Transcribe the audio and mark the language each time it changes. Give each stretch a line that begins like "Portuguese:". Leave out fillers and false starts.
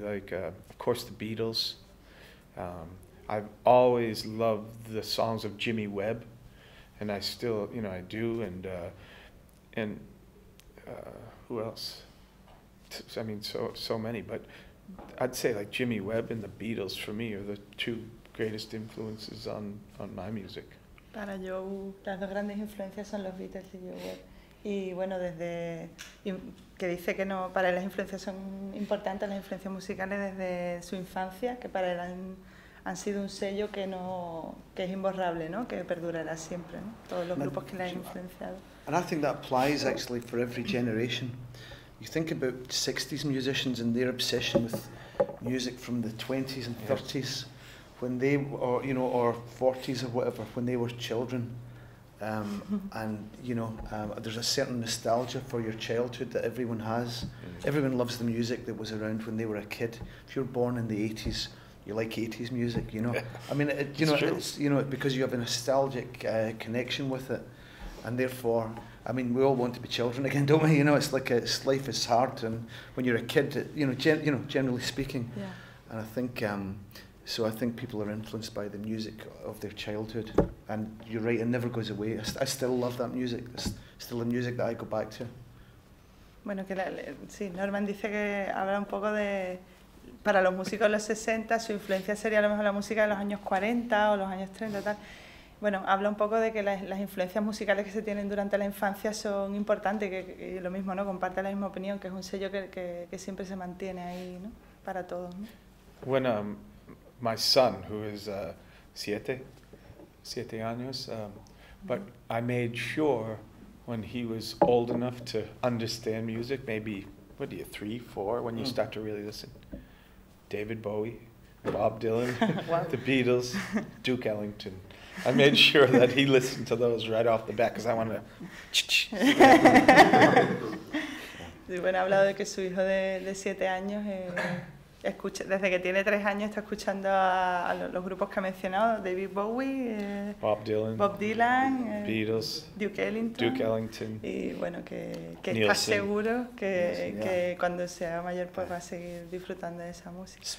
English: Like, of course, the Beatles. I've always loved the songs of Jimmy Webb, and I still, you know, I do. And who else? So many, but I'd say like Jimmy Webb and the Beatles for me are the two greatest influences on my music.
Spanish: Para Joe, las dos grandes influencias son los Beatles y Joe Webb. Y bueno, desde que dice que no, para él las influencias son importantes, las influencias musicales desde su infancia, que para él han sido un sello que no, que es imborrable, ¿no? Que perdurará siempre, ¿no? Todos los grupos que le han influenciado.
English: And I think that applies actually for every generation. You think about 60s musicians and their obsession with music from the 20s and 30s, when they or you know or 40s or whatever, when they were children, and you know, there's a certain nostalgia for your childhood that everyone has. Mm-hmm. Everyone loves the music that was around when they were a kid. If you're born in the 80s, you like 80s music. You know, yeah. I mean, it's because you have a nostalgic connection with it, and therefore. I mean, we all want to be children again, don't we? You know, it's like life is hard, and when you're a kid, generally speaking. Yeah. And I think, I think people are influenced by the music of their childhood. And you're right, it never goes away. I still love that music. It's still the music that I go back to.
Spanish: Bueno, que sí, Norman dice que habla un poco de... Para los músicos de los 60, su influencia sería a lo mejor la música de los años 40 o los años 30 tal. Bueno, habla un poco de que las influencias musicales que se tienen durante la infancia son importantes, que lo mismo, ¿no? Comparte la misma opinión, que es un sello que siempre se mantiene ahí, ¿no? Para todos, ¿no?
English: When my son, who is
Spanish: siete años,
English: but I made sure when he was old enough to understand music, maybe, what are you, 3, 4, when you start to really listen, David Bowie, Bob Dylan, The Beatles, Duke Ellington. I made sure that he listened to those right off the bat because I wanted to.
Spanish: Bueno, ha hablado de que su hijo de 7 años escucha desde que tiene 3 años está escuchando a los grupos que ha mencionado, David Bowie, Bob Dylan, Beatles, Duke Ellington. Y bueno, que está seguro que cuando sea mayor pues va a seguir disfrutando de esa música.